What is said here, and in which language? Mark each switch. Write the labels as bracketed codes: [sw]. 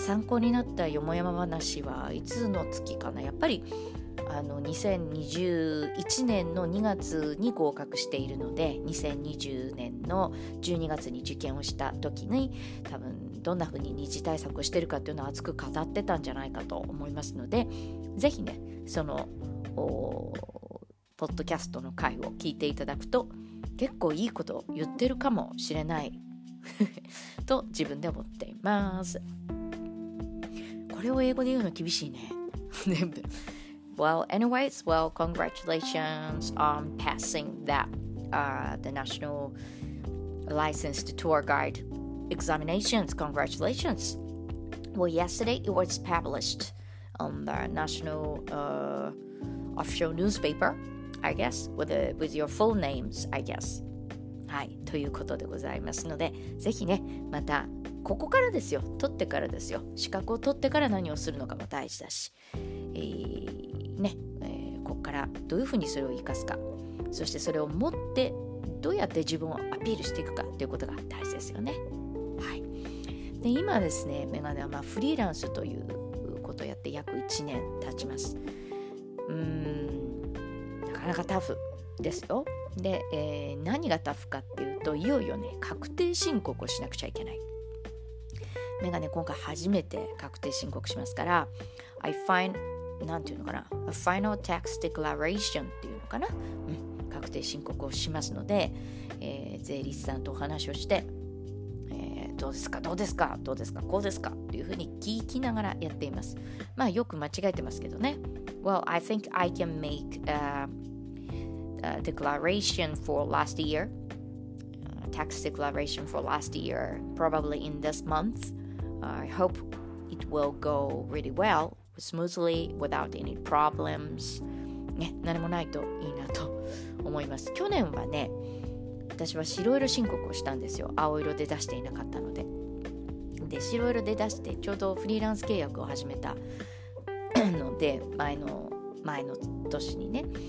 [ja] 参考になったよもやま話はいつの月かな、やっぱり2021年の2月に合格しているので、2020年の12月に受験をした時に、多分どんな風に二次対策をしているかというのを熱く語ってたんじゃないかと思いますので、ぜひね、そのポッドキャストの回を聞いていただくと、結構いいこと言ってるかもしれないと自分で思っています。これを英語で言うの厳しいね全部。 [en] Well, anyways, well, congratulations on passing that, the National Licensed Tour Guide examinations. Congratulations. Well, yesterday it was published on the National official newspaper, I guess, with your full names, I guess. [ja] はい、ということでございますので、ぜひね、またここからですよ、取ってからですよ、資格を取ってから何をするのかも大事だし、ね、ここからどういうふうにそれを生かすか、そしてそれを持ってどうやって自分をアピールしていくかということが大事ですよね。はい、で今ですね、メガネはまあフリーランスということをやって約1年経ちます。なかなかタフですよ。で、何がタフかっていうと、いよいよね、確定申告をしなくちゃいけない。メガネ今回初めて確定申告しますから、 I findなんていうのかな、 [en] A final tax declaration [ja] っていうのかな、確定申告をしますので、税理士さんとお話をして、どうですかどうですかどうですかこうですかっていうふうに聞きながらやっています。まあよく間違えてますけどね。 [en] Well, I think I can make a declaration for last year, tax declaration for last year, probably in this month. I hope it will go really wellSmoothly, without any problems. [ja] ね、何もないといいなと思います。去年はね、私は白色申告をしたんですよ。青色で出していなかったので。で、白色で出して、ちょうどフリーランス契約を始めたので、前の年にね。